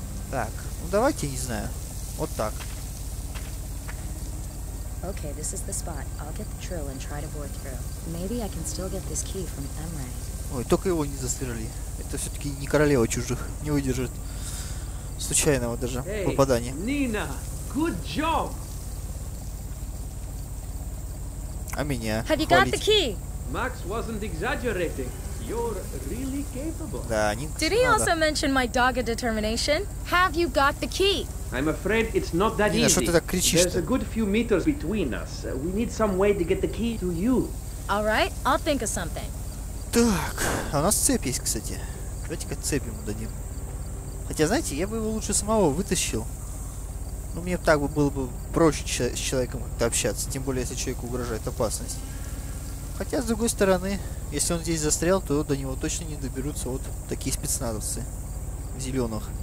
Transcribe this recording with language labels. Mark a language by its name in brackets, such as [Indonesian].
[Russian] Так, ну давайте, не знаю, вот так. [English] Okay, this is the spot. I'll get the drill and try to bore through. Maybe I can still get this key from Emre. [Russian] Ой, только его не застрелили. Это все-таки не королева чужих. Не выдержит случайного даже попадания. [English] Hey, Nina, good job. [Russian] А меня? [English] Have you got the key? Max wasn't exaggerating. You're really capable. [Russian] Да, Нинка. [English] Did he also mention my dogged determination? Have you got the key? I'm afraid it's not that easy. [Russian] Что ты так кричишь? [English] There's a good few meters between us. We need some way to get the key to you. All right, I'll think of something. [Russian] Так, а у нас цепь есть, кстати. Давайте-ка цепь ему дадим. Хотя, знаете, я бы его лучше самого вытащил. Ну, мне так бы было бы проще с человеком как-то общаться, тем более, если человеку угрожает опасность. Хотя, с другой стороны, если он здесь застрял, то до него точно не доберутся вот такие спецназовцы в зеленых.